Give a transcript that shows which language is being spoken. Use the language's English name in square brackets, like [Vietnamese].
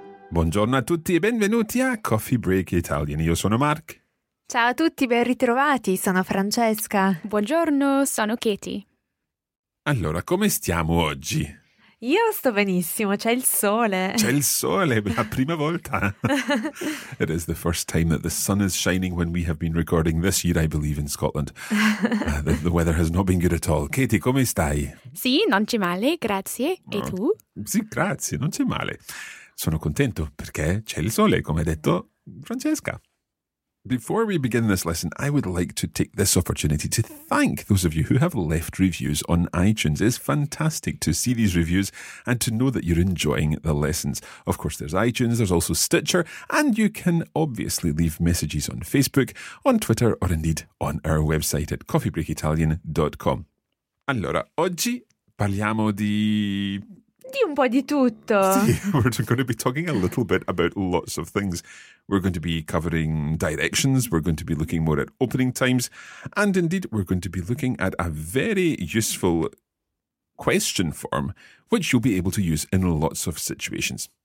[Italian] Buongiorno a tutti e benvenuti a Coffee Break Italian. Io sono Mark. Ciao a tutti, ben ritrovati. Sono Francesca. Buongiorno, sono Katie. Allora, come stiamo oggi? Io sto benissimo, c'è il sole. C'è il sole, la prima volta. [English] It is the first time that the sun is shining when we have been recording this year, I believe, in Scotland. The weather has not been good at all. [Italian] Katie, come stai? Sì, non c'è male, grazie. E tu? Sì, grazie, non c'è male. Sono contento perché c'è il sole, come ha detto Francesca. [English] Before we begin this lesson, I would like to take this opportunity to thank those of you who have left reviews on iTunes. It's fantastic to see these reviews and to know that you're enjoying the lessons. Of course, there's iTunes, there's also Stitcher, and you can obviously leave messages on Facebook, on Twitter, or indeed on our website at coffeebreakitalian.com. [Italian] Allora, oggi parliamo di... Di un po' di tutto. [English] Sì, we're going to be talking a little bit about lots of things. We're going to be covering directions, we're going to be looking more at opening times, and indeed we're going to be looking at a very useful question form, which you'll be able to use in lots of situations.